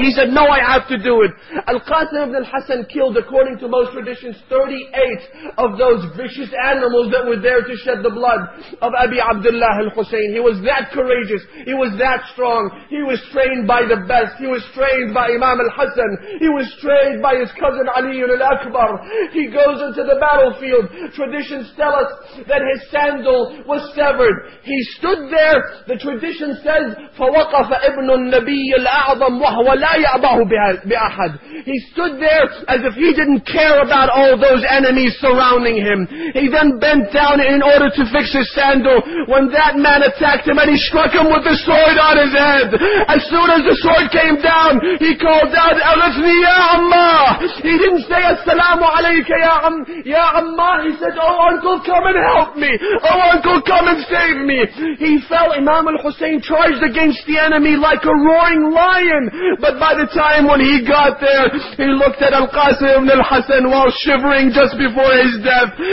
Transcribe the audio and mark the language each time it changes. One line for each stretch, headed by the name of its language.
English: He said, "No, I have to do it." Al-Qasim ibn al-Hasan killed, according to most traditions, 38 of those vicious animals that were there to shed the blood of Abi Abdullah al-Husayn. He was that courageous. He was that strong. He was trained by the best. He was trained by Imam al-Hasan. He was trained by his cousin Ali ibn al-Akbar. He goes into the battlefield. Traditions tell us that his sandal was severed. He stood there. The traditions said,
Arabic: فَوَقَفَ إِبْنُ النَّبِيِّ الْأَعْظَمُ وَهُوَ لَا يَعْبَهُ بِأَحَدٍ.
English: He stood there as if he didn't care about all those enemies surrounding him. He then bent down in order to fix his sandal when that man attacked him and he struck him with the sword on his head. As soon as the sword came down, he called out,
Arabic: أَغَثْنِي يَا أَمَّا.
English: He didn't say,
Arabic: أَسْسَلَامُ عَلَيْكَ يَا أَمَّا.
English: He said, "Oh uncle, come and help me. Oh uncle, come and save me." He fell. Imam al-Husayn charged against the enemy like a roaring lion. But by the time when he got there, he looked at Al-Qasim ibn al-Hasan while shivering just before his death.